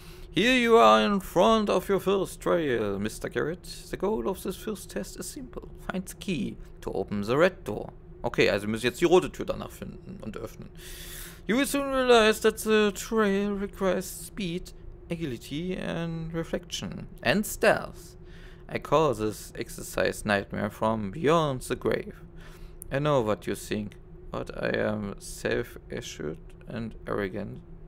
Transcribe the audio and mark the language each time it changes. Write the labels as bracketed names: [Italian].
[English] Here you are in front of your first trial, Mr. Garrett. The goal of this first test is simple. Find the key to open the red door. [German] Okay, also müssen wir jetzt die rote Tür danach finden und öffnen. [English] You will soon realize that the trial requires speed, agility and reflection and stealth. I call this exercise nightmare from beyond the grave. I know what you think, but I am self-assured and arrogant.